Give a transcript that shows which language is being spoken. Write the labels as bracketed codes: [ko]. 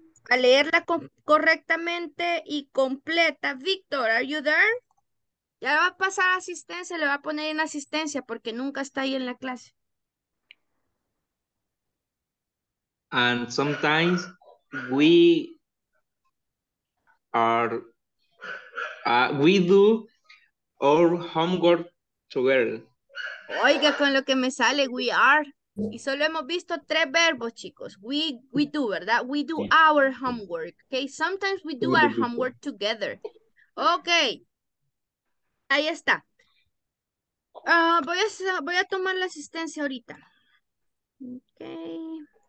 [es] A leerla correctamente y completa. Víctor, [en] are you there? [es] Ya va a pasar a asistencia, le va a poner en asistencia porque nunca está ahí en la clase. [en] And sometimes we are, we do our homework together. [es] Oiga, con lo que me sale, [en] we are. [es] Y solo hemos visto tres verbos, chicos. [en] We do, ¿verdad? We do our homework. Okay, sometimes we do our homework together. [es] Okay. Ahí está. Voy a tomar la asistencia ahorita. Okay.